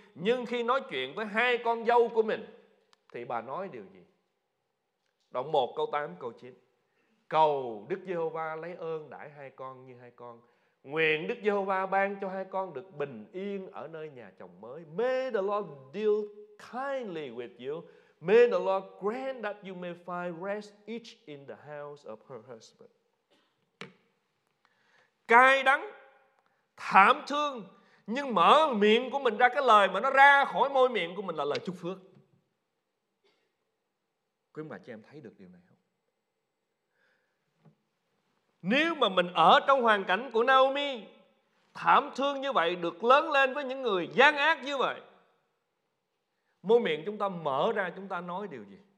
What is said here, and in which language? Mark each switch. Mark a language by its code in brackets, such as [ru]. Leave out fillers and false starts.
[vi] Nhưng khi nói chuyện với hai con dâu của mình thì bà nói điều gì? Đoạn 1 câu 8 câu 9: cầu Đức Giê-hô-va lấy ơn đãi hai con như hai con. Nguyện Đức Giê-hô-va ban cho hai con được bình yên ở nơi nhà chồng mới. [en] May the Lord deal kindly with you. May the Lord grant that you may find rest each in the house of her husband. [vi] Cay đắng, thảm thương, nhưng mở miệng của mình ra, cái lời mà nó ra khỏi môi miệng của mình là lời chúc phước. Quý ông bà chị em thấy được điều này không? Nếu mà mình ở trong hoàn cảnh của Naomi, thảm thương như vậy, được lớn lên với những người gian ác như vậy, môi miệng chúng ta mở ra, chúng ta nói điều gì?